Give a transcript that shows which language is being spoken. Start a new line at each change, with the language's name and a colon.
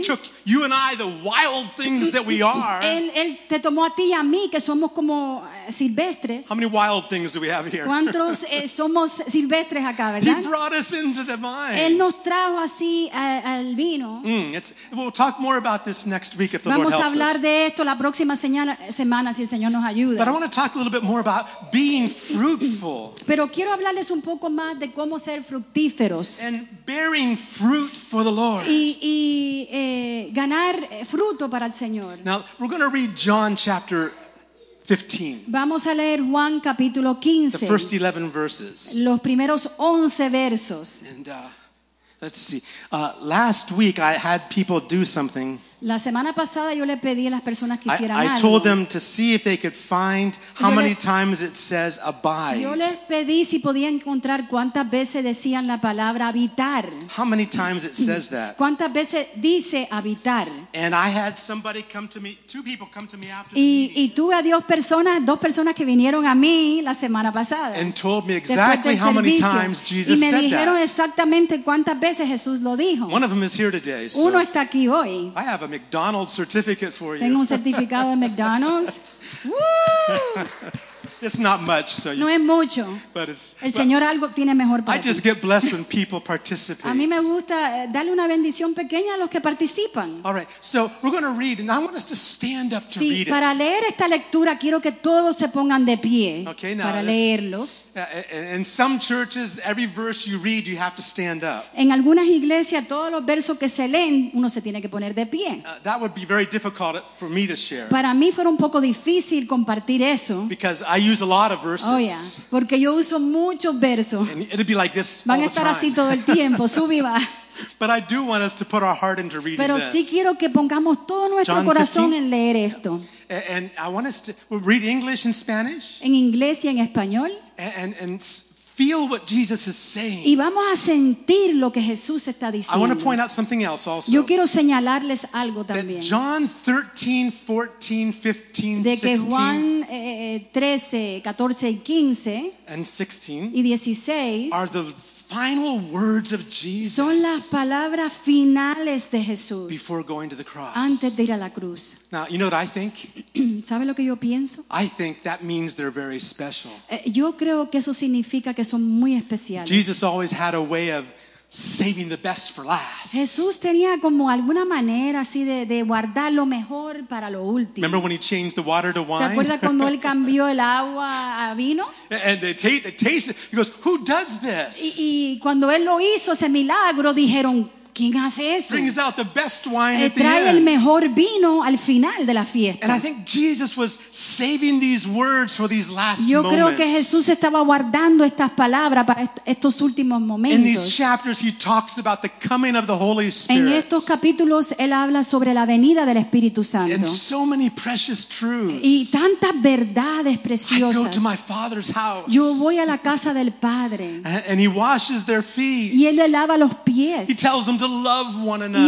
English: He took you and I, the wild things that we are.
Spanish: Él te tomó a ti y a mí que somos como silvestres.
English: How many wild things do we have here?
Spanish: ¿Cuántos somos silvestres acá, verdad?
English: He brought us into the vine.
Spanish: Él nos trajo así al vino.
English: We'll talk more about this next week if the Lord helps us.
Spanish: Vamos a hablar de esto la próxima semana si el Señor nos ayuda.
English: But I want to talk a little bit more about being fruitful.
Spanish: Pero quiero hablarles un poco más de cómo ser fructíferos.
English: And bearing fruit for the Lord.
Spanish: Y ganar fruto para el Señor.
English: Now, we're going to read John chapter 15.
Spanish: Vamos a leer Juan capítulo 15.
English: The first 11 verses.
Spanish: Los primeros 11 versos.
English: And let's see. Last week I had people do something.
Spanish: La semana pasada yo le pedí a las personas que hicieran
English: I told them to see if they could find how many times it says abide.
Spanish: Yo les pedí si podía encontrar cuántas veces decían la palabra habitar.
English: How many times it says that?
Spanish: ¿Cuántas veces dice habitar?
English: And I had somebody come to me, two people come to me after
Spanish: y,
English: the meeting.
Spanish: Y tuve a dos personas que vinieron a mí la semana pasada.
English: And told me exactly how many times Jesus said that.
Spanish: Y me dijeron exactamente cuántas veces Jesús lo dijo.
English: One of them is here today. So
Spanish: uno está aquí hoy.
English: I have a McDonald's certificate for you.
Spanish: Tengo un certificado de McDonald's. Woo!
English: It's not much, so you,
Spanish: no es mucho.
English: But it's,
Spanish: el Señor
English: but
Spanish: algo tiene mejor para
English: I just
Spanish: ti.
English: Get blessed when people participate.
Spanish: A mí me gusta darle una bendición pequeña a los que participan.
English: All right, so we're going to read, and I want us to stand up to
Spanish: sí,
English: read it.
Spanish: Para leer esta lectura quiero que todos se pongan de pie
English: okay, now
Spanish: para leerlos.
English: In some churches, every verse you read, you have to stand up.
Spanish: En algunas iglesias, todos los versos que se leen, uno se tiene que poner de pie.
English: That would be very difficult for me to share.
Spanish: Para mí fue un poco difícil compartir eso.
English: Because I use a lot of verses. Oh yeah,
Spanish: porque yo uso muchos versos.
English: And it'd be like this all the time.
Spanish: Van a estar así todo el tiempo. Subí va.
English: But I do want us to put our heart into reading
Spanish: pero
English: this.
Spanish: Pero sí quiero que pongamos todo nuestro corazón en leer esto.
English: And I want us to read English and Spanish.
Spanish: En inglés y en español.
English: And feel what Jesus is saying.
Spanish: Y vamos a sentir lo que Jesús está diciendo.
English: I want to point out something else also.
Spanish: Yo quiero señalarles algo también.
English: That John 13, 14, 15, 16.
Spanish: De que Juan 13, 14 y 15.
English: And 16.
Spanish: Y 16.
English: Are the final words of Jesus.
Spanish: Son las palabras finales de Jesús.
English: Before going to the cross.
Spanish: Antes de ir a la cruz.
English: Now, you know what I think?
Spanish: ¿Sabe lo que yo pienso?
English: I think that means they're very special.
Spanish: Yo creo que eso significa que son muy especiales.
English: Jesus always had a way of saving the best for last.
Spanish: Jesús tenía como alguna manera así de guardar lo mejor para lo último.
English: Remember when he changed the water to wine?
Spanish: ¿Te acuerdas cuando él cambió el agua a vino?
English: And they tasted. He goes, "Who does this?"
Spanish: Y cuando él lo hizo ese milagro, dijeron, ¿quién hace eso?
English: Brings out the best wine at the
Spanish: trae
English: end.
Spanish: El mejor vino al final de la fiesta.
English: And I think Jesus was saving these words for these last
Spanish: yo creo
English: moments.
Spanish: Que Jesús estaba guardando estas palabras para estos últimos momentos.
English: In these chapters he talks about the coming of the Holy Spirit.
Spanish: En estos capítulos él habla sobre la venida del Espíritu Santo.
English: And so many precious truths.
Spanish: Y tantas verdades preciosas.
English: I go to my Father's house.
Spanish: Yo voy a la casa del Padre.
English: And he washes their feet.
Spanish: Y él le lava los pies.
English: He tells them to love one another.